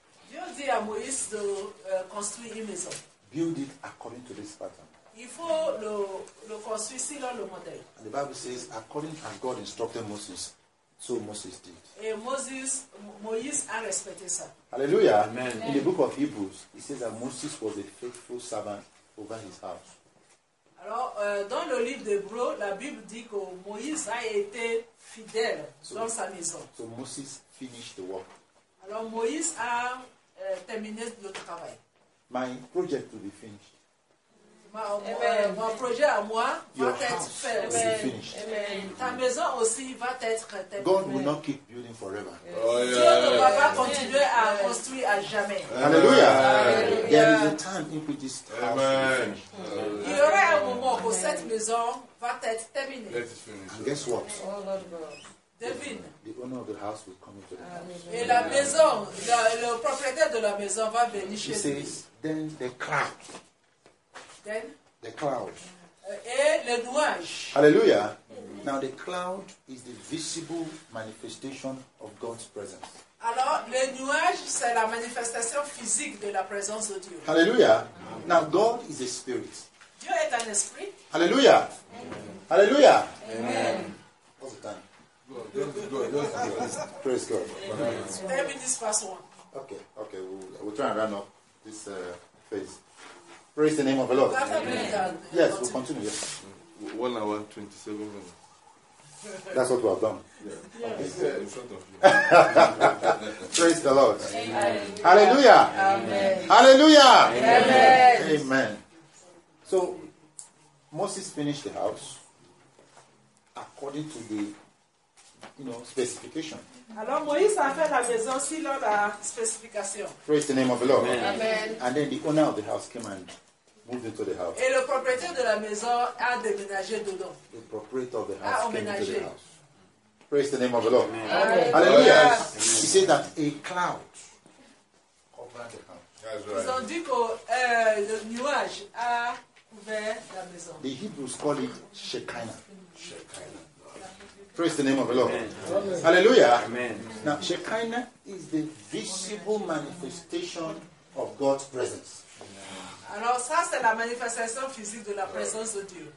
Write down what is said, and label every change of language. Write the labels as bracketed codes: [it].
[fr] Dieu dit à Moïse de construire une maison. [en] Build it according to this pattern. [fr] Il faut le construire selon le modèle. [en] And the Bible says, according as God instructed Moses, so Moses did. [fr] Et Moïse a respecté ça. [en] Hallelujah. Amen. In the book of Hebrews, it says that Moses was a faithful servant over his house. [fr] Alors, dans le livre d'Hébreu, la Bible dit que Moïse a été fidèle dans sa maison. [en] So Moses finished the work. [fr] Alors, Moïse a terminé le travail. [en] My project to be finished. [fr] Mon projet à moi [en] your [fr] va être fait. [en] Will be finished. [fr] Amen. Ta maison aussi va être terminée. [en] God will not keep building forever. Oh, yeah. [fr] Dieu ne va pas continuer à construire à jamais. [en] Hallelujah. There is a time in which this house will be finished. [fr] Il y aura un moment où cette maison va être terminée. [en] And guess what? Oh, Lord. [fr] Devine. [en] The owner of the house will come into the house. [fr] Et la maison, le propriétaire de la maison va venir chez lui. [en] He says, then they crack. Then, the cloud. [fr] Et le nuage. [en] Hallelujah. Mm-hmm. Now the cloud is the visible manifestation of God's presence. [fr] Alors, le nuage, c'est la manifestation physique de la présence de Dieu. [en] Hallelujah. Mm-hmm. Now God is a spirit. [fr] Dieu est un esprit. [en] Hallelujah. Amen. Hallelujah. Amen. What's the time? God. Praise God. Maybe this first one. Okay. We'll try and run up this phase. Praise the name of the Lord. Amen. Yes, we'll continue. Yes. 1 hour, 27 minutes. That's what we have done. Yeah. Okay. Yeah, in front of you. Praise the Lord. Amen. Hallelujah. Amen. Hallelujah. Amen. Amen. So, Moses finished the house according to the specification. [fr] Alors Moïse a fait la maison selon la spécification. [en] Praise the name of the Lord. Amen. And then the owner of the house came and moved into the house. [fr] Et le propriétaire de la maison a déménagé dedans. [en] The proprietor of the house came into the house. Praise the name of the Lord. Amen. Hallelujah. Yes. He said that a cloud covered the house. Right. [fr] Ils ont dit que le nuage a couvert la maison. [en] The Hebrews call it Shekinah. Shekinah. Praise the name of the Lord. Amen. Hallelujah. Amen. Now, Shekinah is the visible manifestation of God's presence. [fr] Alors, ça, c'est la manifestation physique de la présence de Dieu.